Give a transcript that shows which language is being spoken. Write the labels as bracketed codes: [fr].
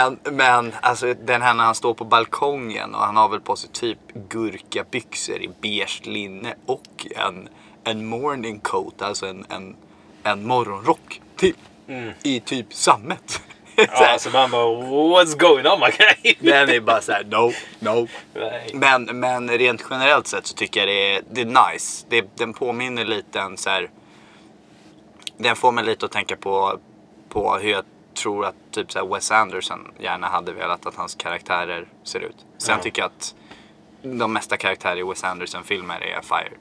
[sv] Men alltså, den här när han står på balkongen och han har väl på sig typ gurka byxor i beige linne och en morning coat, alltså en morgonrock till. Mm. I typ sammet. Ja, så man bara, [en] what's going on, my guy? [sv] Men det är bara såhär, no. Men rent generellt sett så tycker jag det är nice. Den påminner lite en så här. Den får mig lite att tänka på hur jag tror att typ så här Wes Anderson gärna hade velat att hans karaktärer ser ut. Sen tycker jag att de mesta karaktärer i Wes Anderson-filmer är fire.